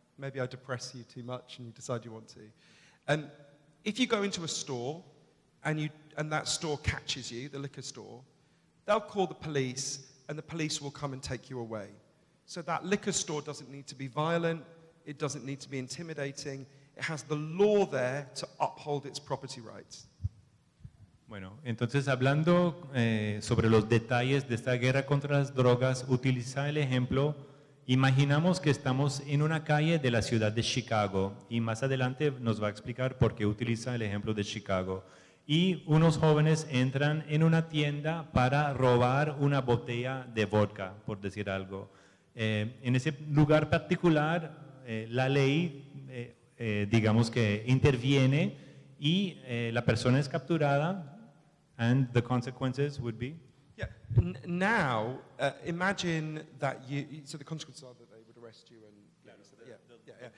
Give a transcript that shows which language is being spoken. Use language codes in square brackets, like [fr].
[en] Maybe I depress you too much and you decide you want to. And if you go into a store and you and that store catches you, the liquor store, they'll call the police and the police will come and take you away. So that liquor store doesn't need to be violent, it doesn't need to be intimidating, it has the law there to uphold its property rights. [es] Bueno, entonces hablando sobre los detalles de esta guerra contra las drogas, utiliza el ejemplo, imaginamos que estamos en una calle de la ciudad de Chicago, y más adelante nos va a explicar por qué utiliza el ejemplo de Chicago, y unos jóvenes entran en una tienda para robar una botella de vodka, por decir algo. En ese lugar particular, la ley, digamos que interviene, y la persona es capturada. [en] And the consequences would be? Yeah, now, imagine that you, so the consequences are that they would arrest you and...